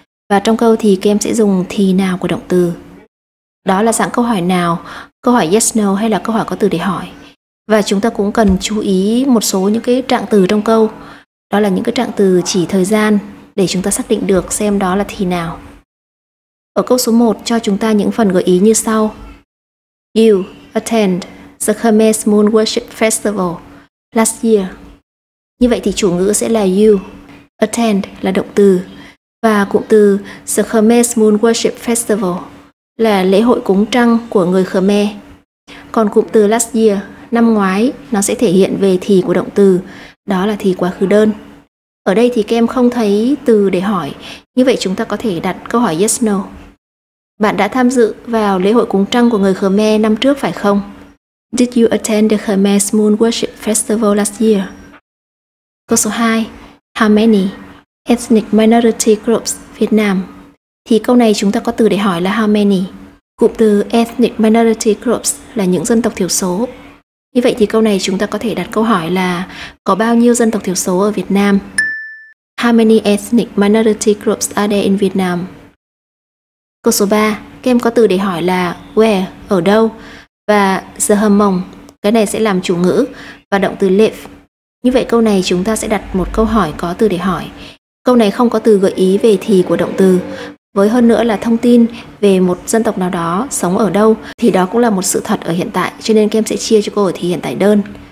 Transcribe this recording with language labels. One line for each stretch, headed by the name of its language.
Vietnamese: Và trong câu thì các em sẽ dùng thì nào của động từ. Đó là dạng câu hỏi nào, câu hỏi yes, no hay là câu hỏi có từ để hỏi. Và chúng ta cũng cần chú ý một số những cái trạng từ trong câu. Đó là những cái trạng từ chỉ thời gian để chúng ta xác định được xem đó là thì nào. Ở câu số 1 cho chúng ta những phần gợi ý như sau.
English: You attend the Hermes Moon Worship Festival last year.
Vietnamese: Như vậy thì chủ ngữ sẽ là you. Attend là động từ. Và cụm từ
English: the Hermes Moon Worship Festival
Vietnamese: là lễ hội cúng trăng của người Khmer. Còn cụm từ
English: last year,
Vietnamese: năm ngoái, nó sẽ thể hiện về thì của động từ, đó là thì quá khứ đơn. Ở đây thì các em không thấy từ để hỏi, như vậy chúng ta có thể đặt câu hỏi yes, no. Bạn đã tham dự vào lễ hội cúng trăng của người Khmer năm trước phải không?
English: Did you attend the Khmer's Moon Worship Festival last year?
Vietnamese: Câu số 2.
English: How many ethnic minority groups Việt Nam?
Vietnamese: Thì câu này chúng ta có từ để hỏi là how many. Cụm từ
English: ethnic minority groups
Vietnamese: là những dân tộc thiểu số. Như vậy thì câu này chúng ta có thể đặt câu hỏi là có bao nhiêu dân tộc thiểu số ở Việt Nam?
English: How many ethnic minority groups are there in Vietnam?
Vietnamese: Câu số 3. Các em có từ để hỏi là where, ở đâu? Và the Hmong, cái này sẽ làm chủ ngữ và động từ live. Như vậy câu này chúng ta sẽ đặt một câu hỏi có từ để hỏi. Câu này không có từ gợi ý về thì của động từ. Với hơn nữa là thông tin về một dân tộc nào đó sống ở đâu thì đó cũng là một sự thật ở hiện tại, cho nên các em sẽ chia cho cô ở thì hiện tại đơn.